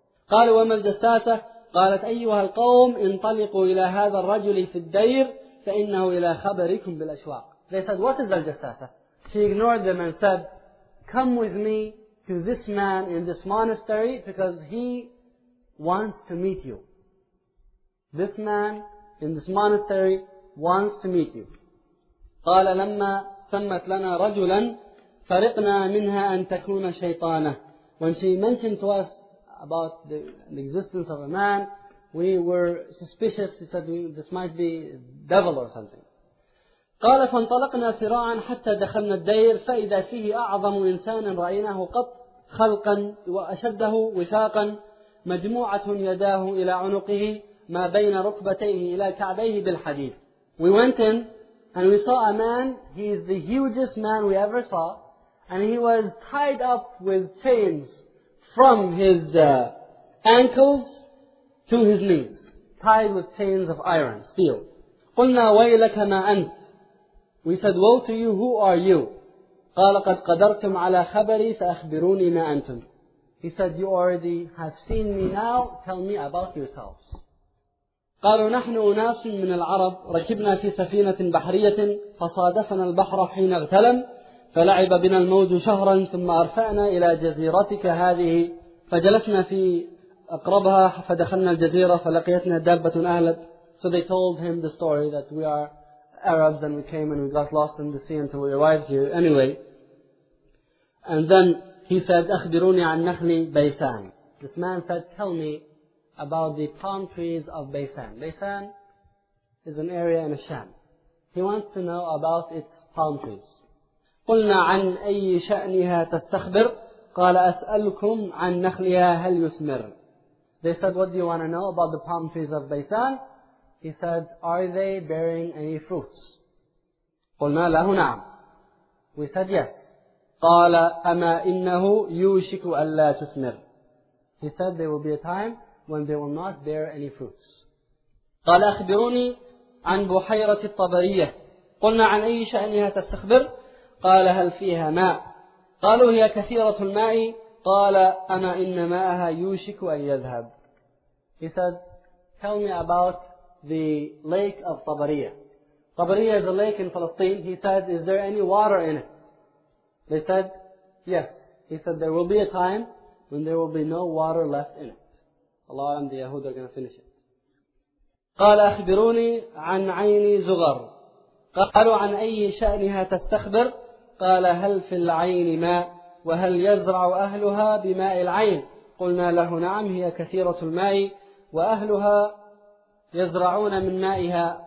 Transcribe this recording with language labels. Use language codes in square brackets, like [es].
[ar] قَالُوا وَمَا الْجَسَّاسَةِ? قَالَتْ أَيُّهَا الْقَوْمِ انْطَلِقُوا إِلَى هَذَا الرَّجُلِ فِي الدَّيْرِ فَإِنَّهُ إِلَى خَبَرِكُمْ بِالْأَشْوَاقِ. [en] They said, what is الْجَسَّاسَةِ? She ignored them and said, come with me to this man in this monastery because he wants to meet you. This man in this monastery wants to meet you. [ar] قال لما سمت لنا رجلا فرقنا منها أن تكون شيطانة. [en] When she mentioned to us about the existence of a man, we were suspicious. She said this might be devil or something. [ar] قال فانطلقنا سراعا حتى دخلنا الدير فإذا فيه أعظم إنسان رأيناه قط خلقا وأشده وثاقا مجموعة يداه إلى عنقه ما بين ركبتيه إلى كعبيه بالحديد. [en] We went in and we saw a man, he is the hugest man we ever saw, and he was tied up with chains from his ankles to his knees, tied with chains of iron, steel. [ar] قلنا ويلك ما أنت. [en] We said, woe to you, who are you? [ar] قال قد قدرتم على خبري فأخبروني ما أنتم. [en] He said, you already have seen me now, tell me about yourselves. [ar] قالوا نحن أناس من العرب ركبنا في سفينة بحرية فصادفنا البحر حين اغتلم فلعب بنا الموج شهرا ثم أرسانا إلى جزيرتك هذه فجلسنا في أقربها فدخلنا الجزيرة فلقيتنا دابة أهلب. [en] So they told him the story that we are Arabs and we came and we got lost in the sea until we arrived here anyway. And then he said, [ar] أخبروني عن نخل بيسان. [en] This man said, tell me about the palm trees of Baysan. Baysan is an area in Sham. He wants to know about its palm trees. [ar] قلنا عن أي شأنها تستخبر؟ قال أسألكم عن نخلها هل يثمر؟ [en] They said, what do you want to know about the palm trees of Baysan? He said, are they bearing any fruits? [ar] قلنا له نعم. [en] We said yes. [ar] قال أما إنه يوشك ألا تثمر. [en] He said, there will be a time when they will not bear any fruits. [ar] قال أخبروني عن بحيرة الطبرية. قلنا عن أي شأنها تستخبر؟ قال هل فيها ماء؟ قالوا هي كثيرة الماء. قال أما إن ماءها يوشك أن يذهب. [en] He said, tell me about the lake of Tabariya. Tabariya is a lake in Palestine. He said, is there any water in it? They said, yes. He said, there will be a time when there will be no water left in it. Allah and the Yahud are going to finish it. [ar] قال أخبروني عن عين زغر. قالوا عن أي شأنها تستخبر؟ قال هل في العين ماء وهل يزرع أهلها بماء العين؟ قلنا له نعم هي كثيرة الماء وأهلها يزرعون من مائها.